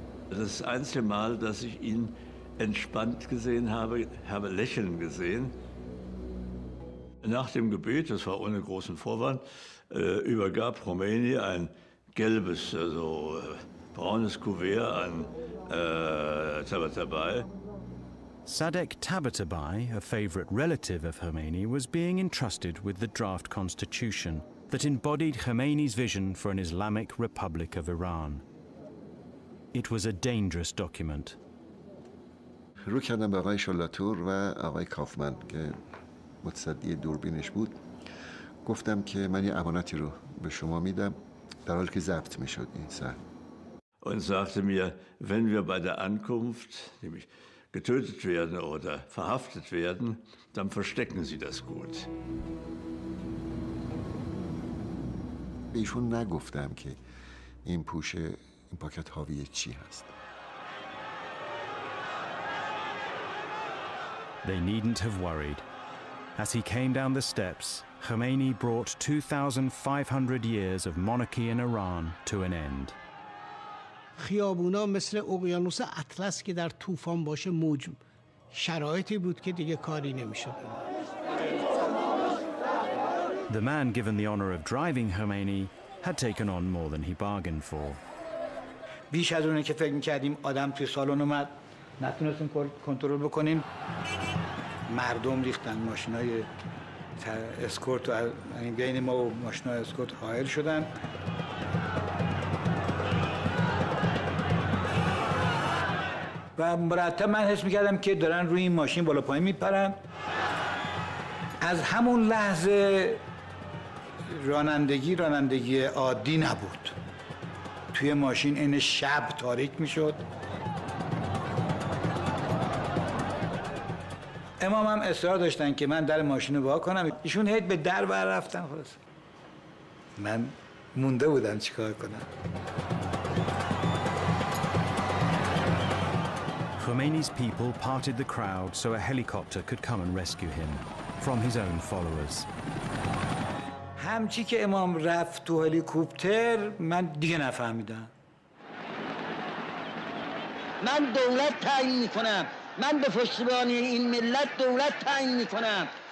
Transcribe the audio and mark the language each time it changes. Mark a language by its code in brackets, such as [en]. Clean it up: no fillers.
[de] Das ist das einzige Mal, dass ich ihn entspannt gesehen habe, habe lächeln gesehen. Nach dem Gebet, das war ohne großen Vorwand, übergab Khomeini ein gelbes, also braunes Kuvert an Tabatabai. [en] Sadek Tabatabai, a favorite relative of Khomeini, was being entrusted with the draft constitution that embodied Khomeini's vision for an Islamic Republic of Iran. It was a dangerous document. [fa] رو کردم به آقای شلاتور و آقای کافمن که متصدی دوربینش بود، گفتم که من یه امانتی رو به شما میدم، در حالی که ضبط میشد این صحنه. [de] Und sagte mir, wenn wir bei der Ankunft nämlich getötet werden oder verhaftet werden, dann verstecken Sie das gut. [fa] بهشون نگفتم که این پوشه این پاکت حاوی چی هست. [en] They needn't have worried. As he came down the steps, Khomeini brought 2,500 years of monarchy in Iran to an end. [fa] خیابونا مثل اقیانوس اطلس که در طوفان باشه موج، شرایطی بود که دیگه کاری نمیشد. [en] The man given the honor of driving Khomeini had taken on more than he bargained for. [fa] بیش از اونی که فکر می‌کردیم آدم توی سالن اومد، نتونستیم کنترل بکنیم. مردم ریختن ماشینای اسکورت و بین ما و ماشینای اسکورت حائل شدن. و مرتب من حس میکردم که دارن روی این ماشین بالا پایین میپرن. از همون لحظه رانندگی عادی نبود. توی ماشین این شب تاریک میشد. امام هم اصرار داشتن که من در ماشین رو وا کنم. ایشون هیت به در بر رفتن. خلاص من مونده بودم چیکار کنم. [en] Khomeini's people parted the crowd so a helicopter could come and rescue him from his own followers. [fa] همچی که امام رفت تو هلیکوپتر من دیگه نفهمیدم. من دولت تعیین میکنم. من به پشتیبانی این ملت دولت تعیین میکنم.